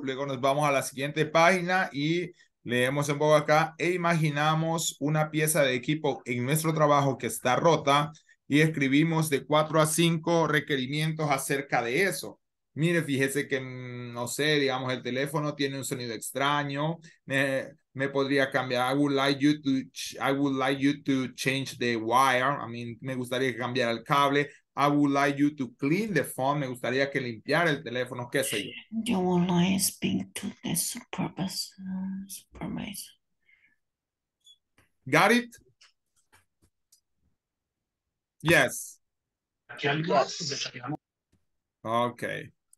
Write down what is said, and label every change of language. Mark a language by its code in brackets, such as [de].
[es] Luego nos vamos a la siguiente página y leemos un poco acá e imaginamos una pieza de equipo en nuestro trabajo que está rota y escribimos de 4 a 5 requerimientos acerca de eso. Mire, fíjese que, no sé, digamos, el teléfono tiene un sonido extraño. Me podría cambiar. [en] I would like you to change the wire. I mean, [es] me gustaría cambiar el cable. [en] I would like you to clean the phone. [es] Me gustaría que limpiara el teléfono, qué sé yo. [en] You will not speak to the supervisor. Got it? Yes. Yes. Okay.